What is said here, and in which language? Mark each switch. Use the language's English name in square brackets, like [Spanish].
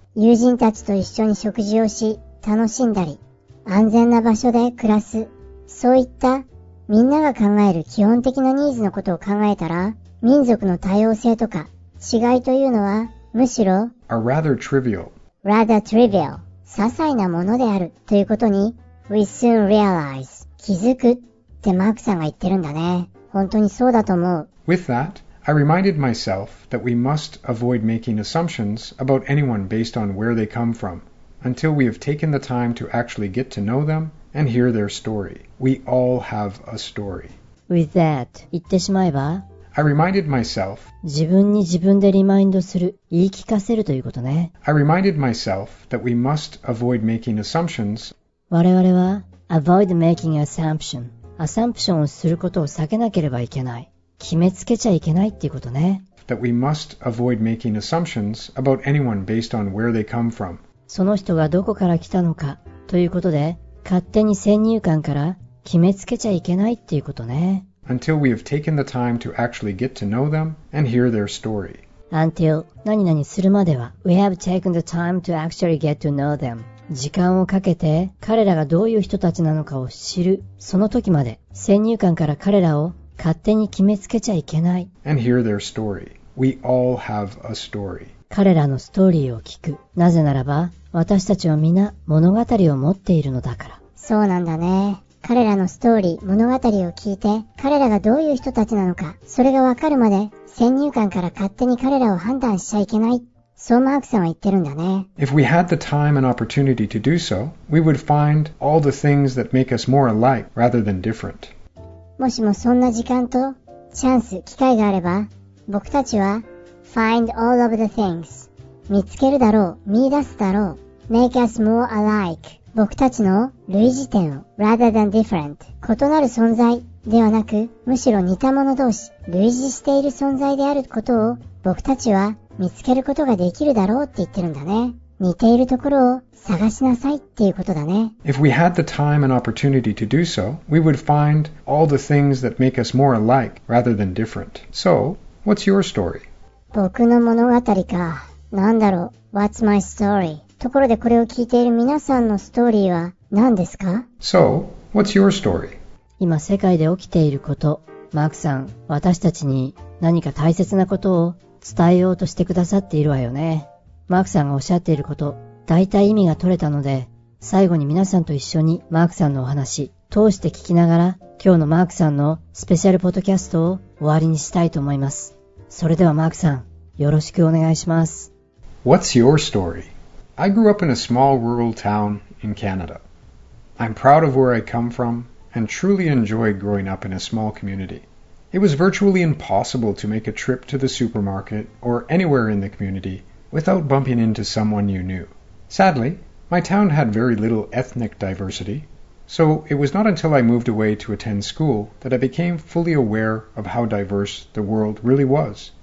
[Japanese] 友人たちと一緒に食事をし、楽しんだり、安全な場所で暮らす、そういったみんなが考える基本的なニーズのことを考えたら、民族の多様性とか、違いというのはむしろ [English] are rather trivial. Rather trivial. [Japanese] 些細なものであるということに [English] we soon realize. [Japanese] 気づくってマークさんが言ってるんだね。本当にそうだと思う。 [English] With that, I reminded myself that we must avoid making assumptions about anyone based on where they come from until we have taken the time to actually get to know them and hear their story. We all have a story. With that, [Japanese] 言ってしまえば [English] I reminded myself [Japanese] 自分に自分でリマインドする、言い聞かせるということね。 [English] I reminded myself that we must avoid making assumptions [Japanese] 我々は [English] avoid making assumption assumption [Japanese] をすることを避けなければいけない。決めつけちゃいけないっていうことね。 [English] That we must avoid making assumptions about anyone based on where they come from. [Japanese] その人がどこから来たのかということで、勝手に先入観から決めつけちゃいけないっていうことね。 [English] Until we have taken the time to actually get to know them and hear their story. Until [Japanese] 何々するまでは、 [English] we have taken the time to actually get to know them. [Japanese] 時間をかけて彼らがどういう人たちなのかを知る。その時まで先入観から彼らを勝手に決めつけちゃいけない。 [English] And hear their story. We all have a story. [Japanese] 彼らのストーリーを聞く。なぜならば、私たちは皆物語を持っているのだから。そうなんだね。彼らのストーリー、物語を聞いて、彼らがどういう人たちなのか、それがわかるまで、先入観から勝手に彼らを判断しちゃいけない。そうマークさんは言ってるんだね。 [English] If we had the time and opportunity to do so, we would find all the things that make us more alike rather than different. [Japanese] もしもそんな時間とチャンス、機会があれば、僕たちは [English] find all of the things [Japanese] 見つけるだろう、見出すだろう [English] make us more alike [Japanese] 僕たちの類似点を [English] rather than different [Japanese] 異なる存在ではなく、むしろ似た者同士類似している存在であることを僕たちは見つけることができるだろうって言ってるんだね。似ているところを探しなさいっていうことだね。 [English] If we had the time and opportunity to do so, we would find all the things that make us more alike rather than different. So, what's your story? [Japanese] 僕の物語か。なんだろう。 [English] What's my story? [Japanese] ところでこれを聞いている皆さんのストーリーは何ですか? [English] So, what's your story? [Japanese] 今世界で起きていること、マークさん、私たちに何か大切なことを伝えようとしてくださっているわよね。マークさんがおっしゃっていること、大体意味が取れたので、最後に皆さんと一緒にマークさんのお話、通して聞きながら、今日のマークさんのスペシャルポッドキャストを終わりにしたいと思います。それではマークさん、よろしくお願いします。 [English] What's your story? I grew up in a small rural town in Canada. I'm proud of where I come from and truly enjoyed growing up in a small community. It was virtually impossible to make a trip to the supermarket or anywhere in the community. Without bumping into someone you knew. Sadly, my town had very little ethnic diversity, so it was not until I moved away to attend school that I became fully aware of how diverse the world really was.